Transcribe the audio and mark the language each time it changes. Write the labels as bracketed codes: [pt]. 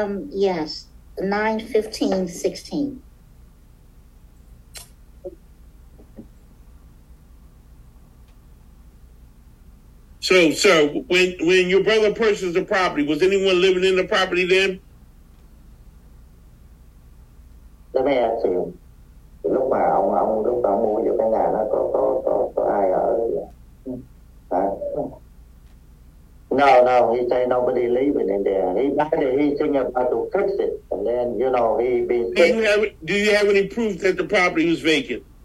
[en] Yes, 9/15/16. So, sir, when your brother purchased the property, was anyone living in the property then? Let me ask you. [vi] Lúc mà ông lúc đó mua vô cái nhà nó có ai ở vậy? [en] No, he say nobody leaving in there. He's thinking about to fix it, and then, you know, he be sick. Do you have any proof that the property was vacant?